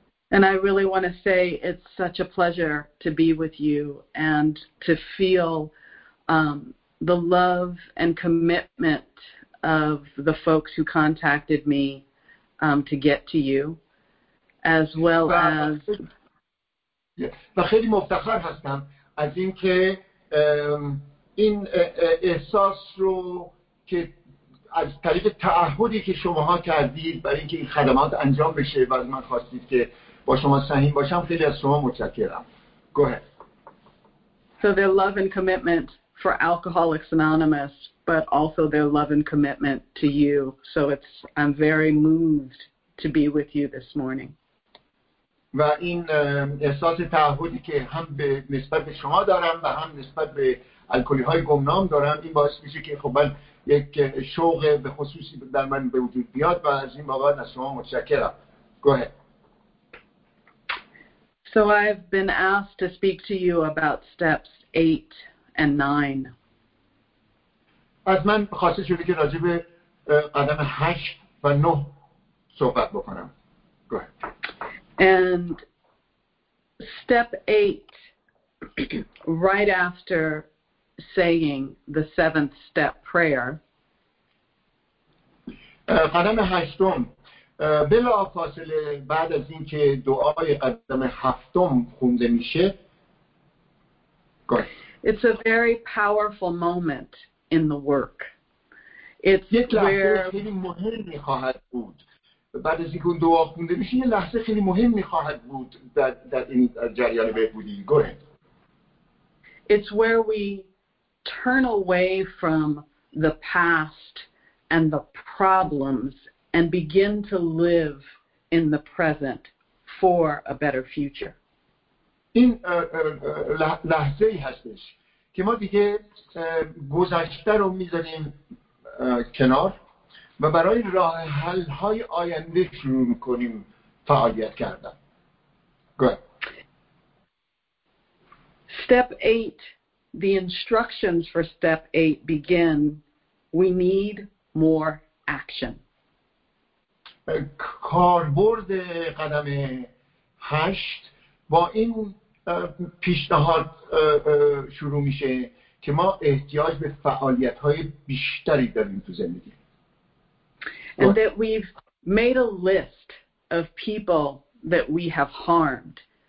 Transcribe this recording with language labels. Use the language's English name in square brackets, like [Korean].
[English] And I really want to say it's such a pleasure to be with you and to feel the love and commitment of the folks who contacted me to get to you, as well as. [Persian] و خیلی مفتخر هستم از اینکه این احساس رو که از طریق تعهدی که شماها کردید برای اینکه این خدمات انجام بشه و از من خواستید که با شما سهیم باشم، خیلی از شما متشکرم. [English] Go ahead. So their love and commitment for Alcoholics Anonymous, but also their love and commitment to you. So it's I'm very moved to be with you this morning. [Persian] و این احساس تعهدی که هم به نسبت به شما دارم و هم نسبت به الکلی های گمنام دارم، این باعث میشه که خب من یک شوق به خصوصی در من به وجود بیاد و از این بابت از شما متشکرم. [English] Go ahead. So I've been asked to speak to you about steps 8 and 9. [Persian] از من خواسته شده که راجع به قدم 8 و 9 صحبت بکنم. [English] Go ahead. And step 8, right after saying the seventh step prayer. [Persian] قدم هشتم، بلافاصله بعد از اینکه دعای قدم هفتم خونده میشه. [English] It's a very powerful moment in the work. It's where [Persian] خیلی مهمی خواهد بود. بعد از اینکه اون دعا خونده میشه، یه لحظه خیلی مهم میخواهد بود در این جریان بهبودی. [English] Go ahead. It's where we turn away from the past and the problems and begin to live in the present for a better future. [Persian] این لحظه‌ای هستش که ما دیگه گذشته رو میذاریم کنار و برای راه حل های آینده شروع میکنیم فعالیت کردن. [English] Go ahead. Step 8, the instructions for step 8 begin, we need more action. [Persian] کاربرد قدم 8 با این پیشنهاد شروع میشه که ما احتیاج به فعالیت های بیشتری داریم تو زندگی. [English] And that we've made a list of people that we have harmed.